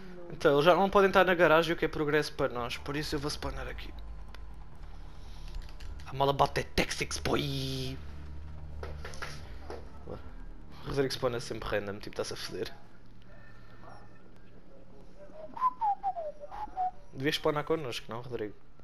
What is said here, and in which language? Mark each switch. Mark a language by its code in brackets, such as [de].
[pt] Então, eles já não podem estar na garagem, o que é progresso para nós. Por isso eu vou spawnar aqui. [en] I'm all about the tactics, boy! [pt] Rodrigo spawna sempre random, tipo, está-se a foder. Devias spawnar connosco, não, Rodrigo?